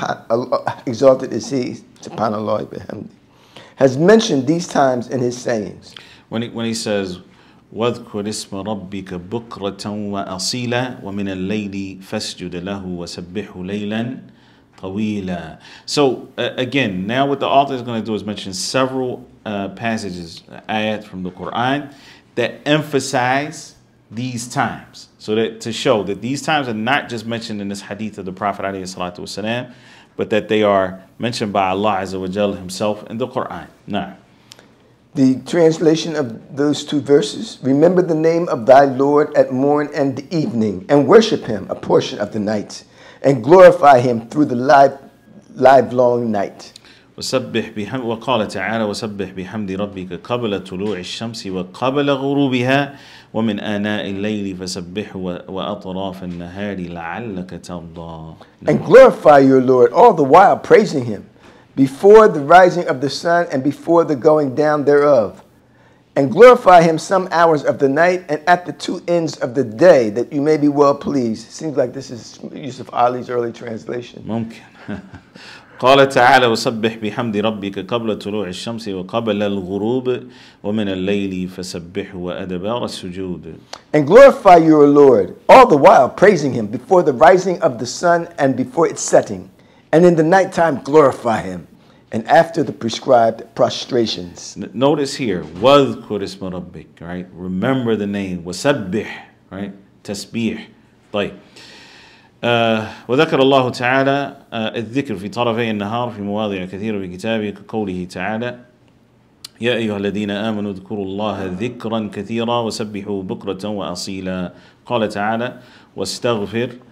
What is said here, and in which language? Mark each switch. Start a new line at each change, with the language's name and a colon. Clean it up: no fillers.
English: Allah, exalted is He, subhanAllah, bihamdi, has mentioned these times in His sayings.
Arabic: When he says, وَذْكُرْ إِسْمَ رَبِّكَ بُكْرَةً وَأَصِيلًا وَمِنَ اللَّيْلِ فَاسْجُدْ لَهُ وَسَبِّحْهُ لَيْلًا طَوِيلًا.
English: So again, now what the author is going to do is mention several passages, ayat from the Quran, that emphasize these times, so that to show that these times are not just mentioned in this hadith of the Prophet alayhi salatu wasalam, but that they are mentioned by Allah azza wa jalla himself in the Quran. Now, the translation of those two verses: remember the name of thy Lord at morn and the evening, and worship him a portion of the night, and glorify him through the livelong night.
Arabic: وسبح بهم وقال تعالى وسبح بحمد ربك قبل طلوع الشمس وقبل غروبها ومن آناء الليل فسبح وأطراف النهار لعلك ترضى.
English: And glorify your Lord all the while praising him before the rising of the sun and before the going down thereof. And glorify him some hours of the night and at the two ends of the day that you may be well pleased. Seems like this is Yusuf Ali's early translation.
Arabic: ممكن. قال تعالى وسبح بحمد ربك قبل طلوع الشمس وقبل الغروب ومن الليل فسبح وأدبار السجود.
English: And glorify your Lord all the while praising him before the rising of the sun and before its setting, and in the nighttime glorify him and after the prescribed prostrations. Notice here,
Arabic: واذكر اسم ربك,
English: right? Remember the name,
Arabic: وسبح,
English: right?
Arabic: تسبيح. طيب. وذكر الله تعالى الذكر في طرفي النهار في مواضع كثيرة في كتابه كقوله تعالى يا أيها الذين آمنوا اذكروا الله ذكرا كثيرا وسبحوا بكرة وأصيلا قال تعالى واستغفر